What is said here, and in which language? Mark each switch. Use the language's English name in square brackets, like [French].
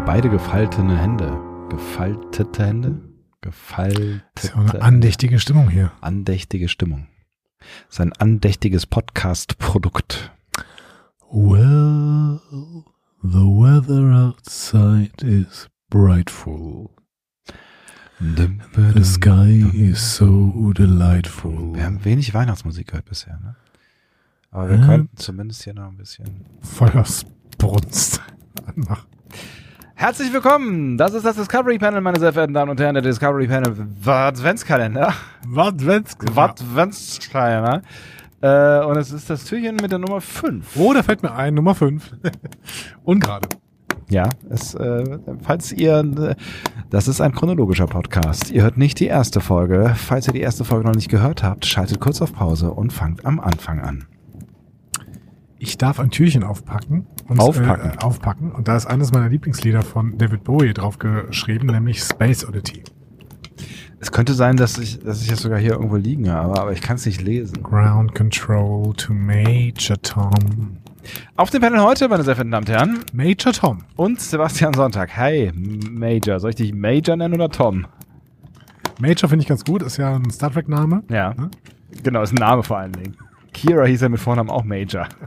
[German] Gefaltete Hände. Gefaltete Hände? Gefaltete. Ist ja eine andächtige Stimmung hier. Andächtige Stimmung. Ist ein andächtiges Podcast-Produkt. [English] Well, the weather outside is brightful. The sky is so delightful. [German] Wir haben wenig Weihnachtsmusik gehört bisher, ne? Aber wir können zumindest hier noch ein bisschen Feuersbrunst anmachen. Herzlich willkommen, das ist das Discovery Panel, meine sehr verehrten Damen und Herren, der Discovery Panel Adventskalender. Adventskalender. Und es ist das Türchen mit der Nummer 5. Oh, da fällt mir ein, Nummer 5. Ungerade. Ja, es, falls ihr, das ist ein chronologischer Podcast, ihr hört nicht die erste Folge. Falls ihr die erste Folge noch nicht gehört habt, schaltet kurz auf Pause und fangt am Anfang an. Ich darf ein Türchen aufpacken. Aufpacken. Und da ist eines meiner Lieblingslieder von David Bowie drauf geschrieben, nämlich Space Oddity. Es könnte sein, dass ich das sogar hier irgendwo liegen habe, aber ich kann es nicht lesen. [English] Ground Control to Major Tom. [German] Auf dem Panel heute, meine sehr verehrten Damen und Herren. [English] Major Tom. [German] Und Sebastian Sonntag. Hey, Major. Soll ich dich Major nennen oder Tom? Major finde ich ganz gut. Ist ja ein Star Trek-Name. Ja. Hm? Genau, ist ein Name vor allen Dingen. Kira hieß ja mit Vornamen auch Major.